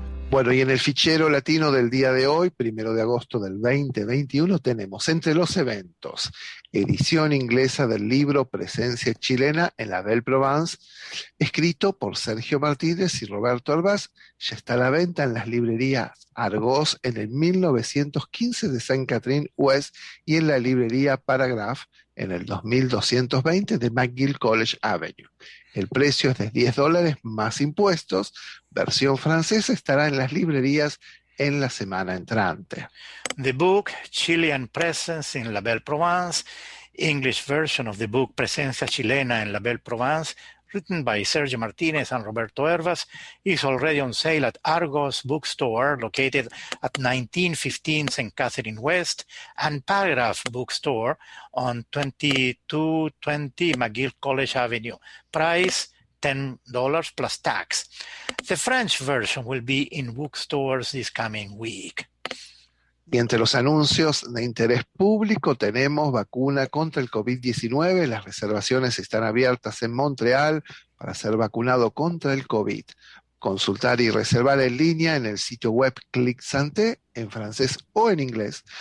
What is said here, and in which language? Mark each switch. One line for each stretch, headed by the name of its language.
Spanish: Bueno, y en el fichero latino del día de hoy, primero de agosto del 2021, tenemos entre los eventos, edición inglesa del libro Presencia Chilena en la Belle Provence, escrito por Sergio Martínez y Roberto Albaz, ya está a la venta en las librerías Argos en el 1915 de Saint Catherine West y en la librería Paragraph en el 2220 de McGill College Avenue. El precio es de $10 más impuestos. Versión francesa estará en las librerías en la semana entrante.
English: The book, Chilean Presence in La Belle Provence, English version of the book Presencia Chilena en La Belle Provence, written by Sergio Martinez and Roberto Hervas, is already on sale at Argos Bookstore, located at 1915 St. Catherine West, and Paragraph Bookstore on 2220 McGill College Avenue. Price $10 plus tax. The French version will be in bookstores this coming week.
Spanish: Y entre los anuncios de interés público tenemos vacuna contra el COVID-19. Las reservaciones están abiertas en Montreal para ser vacunado contra el COVID. Consultar y reservar en línea en el sitio web Clic Santé, en francés o en inglés.